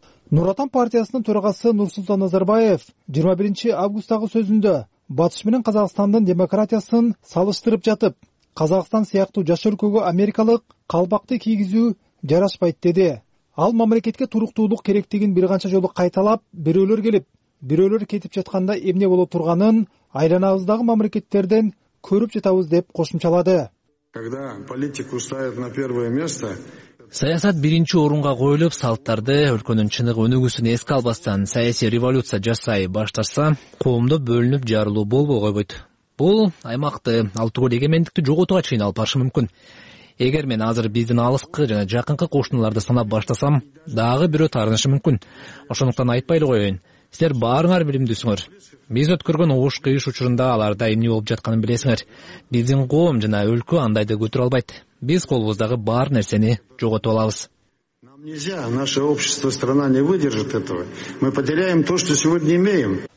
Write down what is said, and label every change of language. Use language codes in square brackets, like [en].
[ky] Нур Отан партиясынын төрагасы Нурсултан Назарбаев 21 августтагы сөзүндө Батыш менен Казакстандын демократиясын салыштырып жатып, Казакстан сыяктуу жаш өлкөгө америкалык калпакты кийгизүү жарашпайт деди. Ал мамлекетке туруктуулук керектигин бир канча жолу кайталап, бирөөлөр келип, бирөөлөр кетип жатканда эмне боло турганын айланабыздагы мамлекеттерден көрүп жатабыз деп кошумчалады. [ru] Когда политику ставят на первое место, [ky] Саясат биринчи орунга коюлуп, салттарды өлкөнүн чыныгы өнүгүүсүн эске албастан саясий революция жасай башташса, коомдо бөлүнүп жарылуу болбой койбойт. Бул аймакты, ал түгөл эгемендикти жоготууга чыйналып барышы мүмкүн. Эгер мен азыр биздин алыскы жана жакынкы кошуналарды санап баштасам, дагы бирөө таарынышы мүмкүн. Ошондуктан айтпай эле коеюн. Силер баарыңар билимдүүсүңөр. Биз өткөргөн оош кыйыш учурунда аларда эмне болуп жатканын билесиңер. Биздин коом жана өлкө андайды көтөрө албайт. Биз колубуздагы баар нерсени жоготуп алабыз. [ru] Нам нельзя, наше общество, страна не выдержит этого. Мы потеряем то, что сегодня имеем.